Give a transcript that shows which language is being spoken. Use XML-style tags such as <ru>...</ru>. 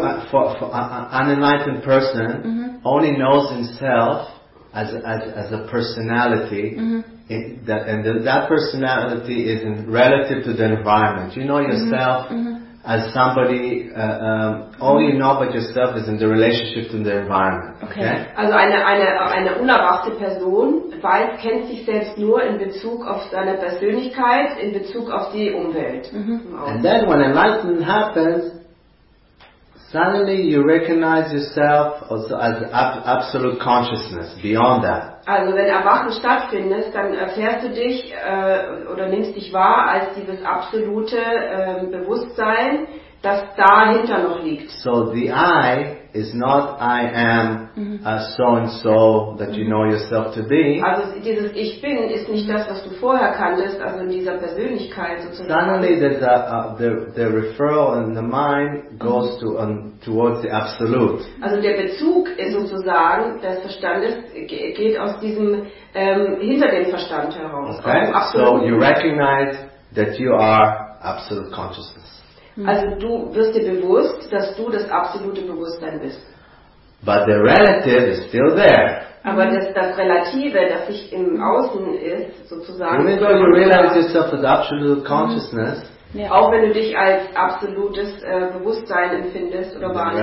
<en>When an enlightened person only knows himself as a personality, that personality is in relative to the environment. You know yourself. Mm-hmm. As somebody, all you know about yourself is in the relationship to the environment. Okay.</en> <de>Also eine unerwachte Person weiß, kennt sich selbst nur in Bezug auf seine Persönlichkeit, in Bezug auf die Umwelt. Mm-hmm.</de> <en>And then when enlightenment happens, suddenly you recognize yourself also as absolute consciousness beyond that.</en> <de>Also wenn Erwachen stattfindet, dann erfährst du dich oder nimmst dich wahr als dieses absolute Bewusstsein, das dahinter noch liegt.</de> <en>So the I is not I am a so and so that you know yourself to be.</en> <de>Also dieses Ich bin ist nicht das, was du vorher kanntest, also in dieser Persönlichkeit sozusagen.</de> <en>Suddenly the referral in the mind goes towards the absolute.</en> <de>Also der Bezug ist sozusagen des Verstandes geht aus diesem hinter dem Verstand heraus.</de> <en>Okay. So you recognize that you are absolute consciousness.</en> <de>Also du wirst dir bewusst, dass du das absolute Bewusstsein bist.</de> <en>But the relative is still there.</en> <de>Aber das Relative, das sich im Außen ist, sozusagen.</de> <en>Even though you realize yourself as absolute consciousness. Yeah.</en> <de>Auch wenn du dich als absolutes Bewusstsein empfindest oder wahrnimmst.</de>